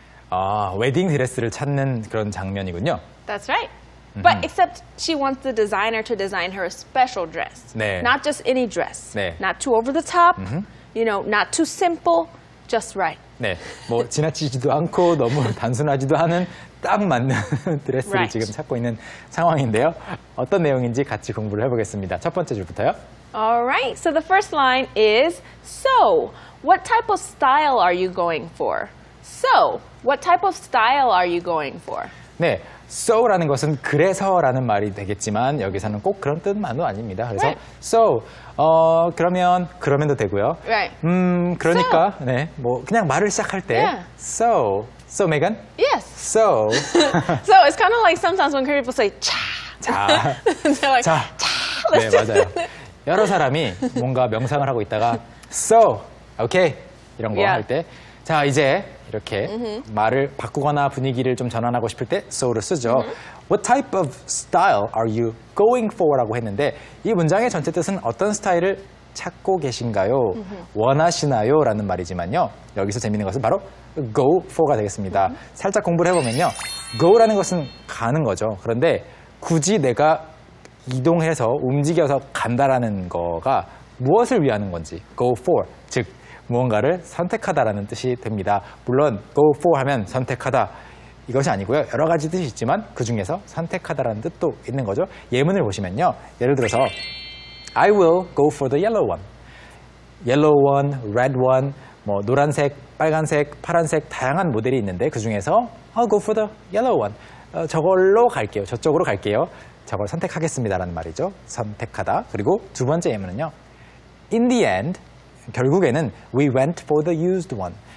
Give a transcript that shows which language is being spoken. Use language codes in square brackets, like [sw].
[ko] 아, 웨딩 드레스를 찾는 그런 장면이군요. [en] That's right. But except she wants the designer to design her a special dress. [ko] 네. [en] Not just any dress. [ko] 네. [en] Not too over the top. Mm-hmm. You know, not too simple. Just right. [ko] 네. 뭐 지나치지도 않고 너무 단순하지도 않은 딱 맞는 드레스를 [en] right. [ko] 지금 찾고 있는 상황인데요. 어떤 내용인지 같이 공부를 해보겠습니다. 첫 번째 줄부터요. [en] Alright, so the first line is So, what type of style are you going for? So, what type of style are you going for? [ko] 네. So라는 것은 그래서라는 말이 되겠지만 여기서는 꼭 그런 뜻만은 아닙니다. 그래서 [en] right. [ko] so 그러면도 되고요. [en] Right. [ko] 그러니까 so. 네. 뭐 그냥 말을 시작할 때 [en] yeah. so. So Megan? Yes. So. so it's kind of like sometimes when people say 차. [ko] 차. [en] They're like [ko] 차. 차. 네, 맞아요. 여러 사람이 뭔가 명상을 하고 있다가 so. Okay. 이런 거 할 때 yeah. 자, 이제 이렇게 mm-hmm. 말을 바꾸거나 분위기를 좀 전환하고 싶을 때 so를 쓰죠. [en] Mm-hmm. What type of style are you going for? [ko] 라고 했는데 이 문장의 전체 뜻은 어떤 스타일을 찾고 계신가요? Mm-hmm. 원하시나요? 라는 말이지만요. 여기서 재밌는 것은 바로 go for가 되겠습니다. Mm-hmm. 살짝 공부를 해보면요. go라는 것은 가는 거죠. 그런데 굳이 내가 이동해서 움직여서 간다라는 거가 무엇을 위하는 건지 go for, 즉 무언가를 선택하다라는 뜻이 됩니다. 물론 go for 하면 선택하다 이것이 아니고요. 여러 가지 뜻이 있지만 그 중에서 선택하다라는 뜻도 있는 거죠. 예문을 보시면요. 예를 들어서 [en] I will go for the yellow one. Yellow one, red one, [ko] 뭐 노란색, 빨간색, 파란색 다양한 모델이 있는데 그 중에서 [en] I'll go for the yellow one. [ko] 저걸로 갈게요. 저쪽으로 갈게요. 저걸 선택하겠습니다라는 말이죠. 선택하다. 그리고 두 번째 예문은요. [en] In the end, [ko] 결국에는 [en] we went for the used one.